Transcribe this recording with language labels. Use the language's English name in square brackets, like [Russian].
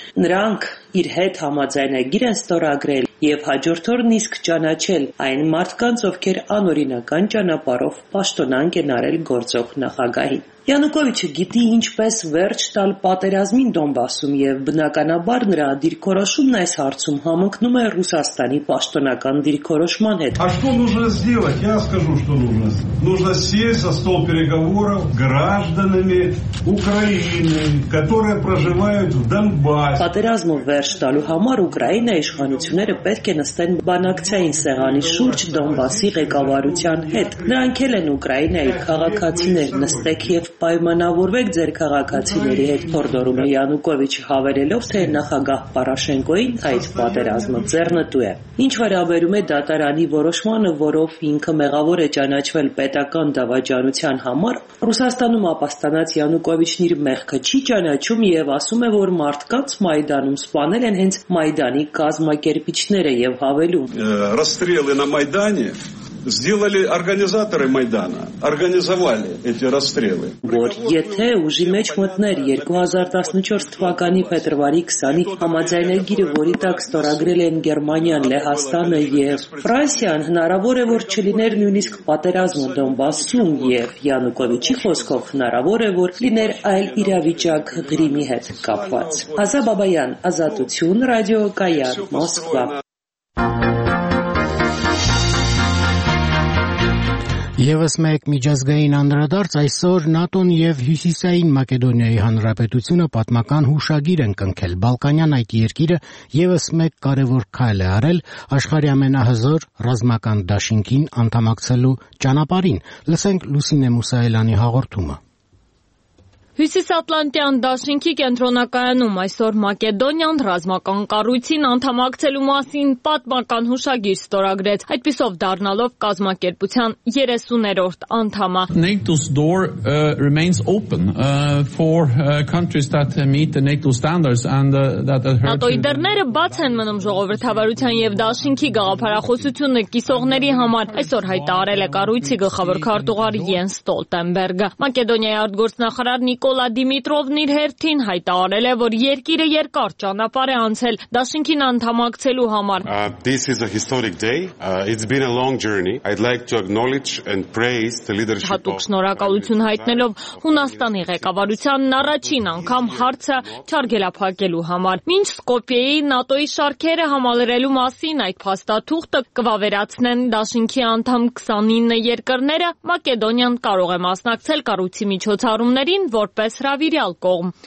[Armenian] նրանք իր հետ համաձայնագիր են ստորագրել և հաջորդ օրն իսկ ճանաչել այն մարդկանց, ովքեր անօրինական ճանապարհով պաշտոնանք են արել գործող նախագահին։ Յանուկովիչը գիտի ինչպես վերջ տալ պատերազմին Դոնբասում եւ բնականաբար նրա դիրքորոշումն այս հարցում համընկնում է Ռուսաստանի պաշտոնական դիրքորոշման հետ։ [Russian] А что нужно сделать? Я скажу, что нужно. Нужно сесть за стол переговоров с гражданами Украины, которые проживают в Донбассе. [Armenian] Պատերազմը վերջ տալու համար Ուկրաինայի իշխանությունները պետք է նստեն բանակցային սեղանի շուրջ Դոնբասի ղեկավարության հետ։ Նրանք էլ են Ուկրաինայի քաղաքացիներ, նստեք և պայմանավորվեք ձեր քաղաքացիների հետ, փորձում է Յանուկովիչ, հավերելով, թե նախագահ Պարաշենկոին այդ պատերազմը ձեռնտու է։ Ինչ վերաբերում է դատարանի որոշմանը, որով ինքը մեղավոր է ճանաչվել պետական դավաճանության համար, Ռուսաստանում ապաստանած Յանուկովիչն իր մեղքը չի ճանաչում և ասում է, որ մարդկանց Մայդանում սպանել են հենց Մայդանի կազմակերպիչները և հավելում. [Russian] Расстрелы на Майдане сделали организаторы Майдана, организовали эти расстрелы. [Armenian] Որ եթե ուժի մեջ մտներ 2014 թվականի փետրվարի 20-ի համաձայնագիրը, որի տակ ստորագրել են Գերմանիան, Լեհաստանը եւ Ֆրանսիան, հնարավոր է, որ չլիներ նույնիսկ պատերազմը Դոնբասում եւ Յանուկովիչի խոսքով հնարավոր է, որ լիներ այլ իրավիճակ Ղրիմի հետ կապված։ Ազա Բաբայան, Ազատություն ռադիո, Կայար, Մոսկվա։ Եվս մեկ միջազգային անդրադարձ, այսօր ՆԱՏՕ-ն եւ Հյուսիսային Մակեդոնիայի Հանրապետությունը պատմական հուշագիր են կնքել։ Բալկանյան այդ երկիրը եւս մեկ կարևոր քայլ է արել աշխարհի ամենահզոր ռազմական դաշինքին անդամակցելու ճանապարհին։ Լսենք Լուսինե Մուսայելյանի հաղորդումը։ Հյուսիսատլանտյան դաշինքի կենտրոնակայանում այսօր Մակեդոնիան ռազմական կառույցին անդամակցելու մասին պատմական հուշագիր ստորագրեց, այդպիսով դառնալով կազմակերպության 30-րդ անդամը։ [English] NATO's door remains open for countries that meet the NATO standards and that adhere. [Armenian] ՆԱՏՕ-ի դռները բաց են մնում ժողովրդավարության եւ դաշինքի գաղափարախոսությունը կիսողների համար, այսօր հայտարարել է կառույցի գլխավոր քարտուղար Յենս Ստոլտենբերգը։ Մակեդոնիայի արտգործնախարար Նիկոլա Դիմիտրովն իր հերթին հայտարարել է, որ երկիրը երկար ճանապարհ է անցել դաշինքին անդամակցելու համար։ [English] This is a historic day. It's been a long journey. I'd like to acknowledge and praise the leadership. [Armenian] Հատուկ շնորհակալություն հայտնելով Հունաստանի ղեկավարությանն առաջին անգամ հարցը չարգելափակելու համար։ Մինչ Սկոպիեի ՆԱՏՕ-ի շարքերը համալրելու մասին այդ փաստաթուղթը կվավերացնեն դաշինքի անդամ 29 երկրները, Մակեդոնիան կարող է մասնակցել կառույցի միջոցառումների որպես հրավիրյալ կողմ։